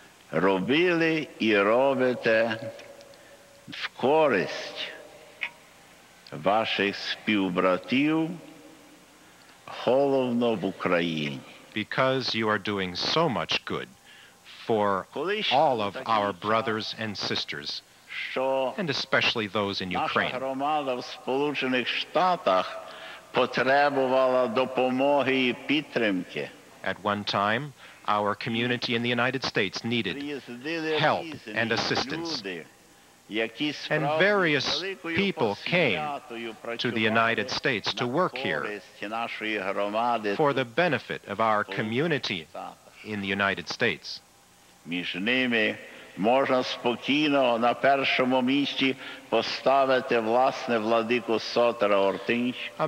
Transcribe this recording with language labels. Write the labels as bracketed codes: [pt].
[uk] Робили і робите в користь ваших співбратів, головно в Україні. [en] Because you are doing so much good for all of our brothers and sisters, and especially those in Ukraine. [uk] Наша громада в Сполучених Штатах потребувала допомоги і підтримки. [en] At one time, our community in the United States needed help and assistance. And various people came to the United States to work here for the benefit of our community in the United States. [uk] Між ними можна спокійно на першому місці поставити власне владику Сотера Ортинського.